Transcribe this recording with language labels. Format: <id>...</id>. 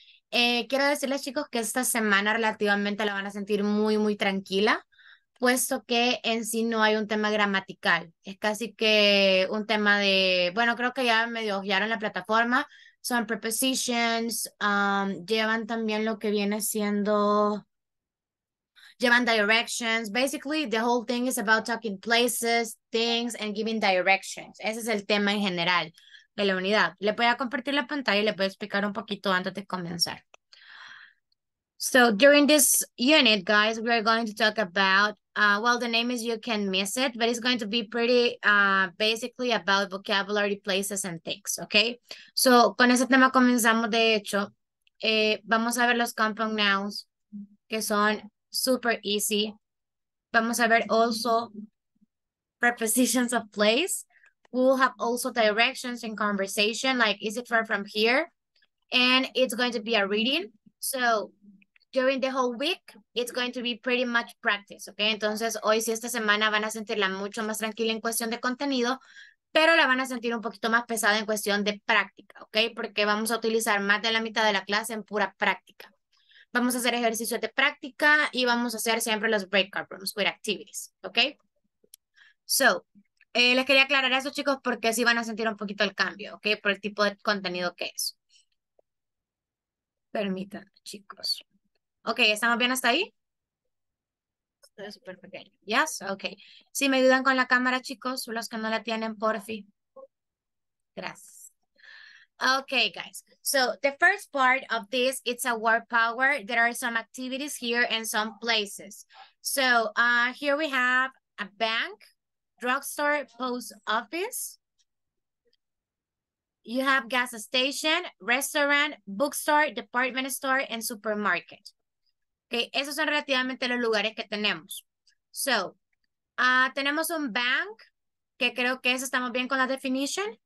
<es>Quiero decirles, chicos, que esta semana relativamente la van a sentir muy, muy tranquila, puesto que en sí no hay un tema gramatical. Es casi que un tema de, bueno, creo que ya medio hojearon la plataforma. Son prepositions, llevan también lo que viene siendo, llevan directions.</es> <en>Basically, the whole thing is about talking places, things, and giving directions.</en> <es>Ese es el tema en general de la unidad. Le voy a compartir la pantalla y le voy a explicar un poquito antes de comenzar.</es> <en>So, during this unit, guys, we are going to talk about, well, the name is You Can Miss It, but it's going to be pretty basically about vocabulary, places, and things, okay?</en> <es>So, con ese tema comenzamos, de hecho, vamos a ver los compound nouns, que son</es> <en>super easy.</en> <es>Vamos a ver also prepositions of place.</es> <en>We will have also directions in conversation, like, is it far from here? And it's going to be a reading. So, during the whole week, it's going to be pretty much practice, okay?</en> <es>Entonces, hoy sí, esta semana van a sentirla mucho más tranquila en cuestión de contenido, pero la van a sentir un poquito más pesada en cuestión de práctica, okay? Porque vamos a utilizar más de la mitad de la clase en pura práctica. Vamos a hacer ejercicios de práctica y vamos a hacer siempre los breakout rooms</es> <en>with activities,</en> <es>okay? So, les quería aclarar eso, chicos, porque sí van a sentir un poquito el cambio, okay? Por el tipo de contenido que es. Permítanme, chicos. Ok, ¿estamos bien hasta ahí? Está súper pequeño.</es> <en>Yes, ok.</en> <es>Sí, me ayudan con la cámara, chicos, los que no la tienen, por fin.</es> <en>Gracias. Ok, guys. So, the first part of this, it's a word power. There are some activities here and some places. So, here we have a bank, drugstore, post office. You have gas station, restaurant, bookstore, department store, and supermarket.</en> <es>Okay, esos son relativamente los lugares que tenemos. So, tenemos un bank, que creo que eso estamos bien con la definición.</es>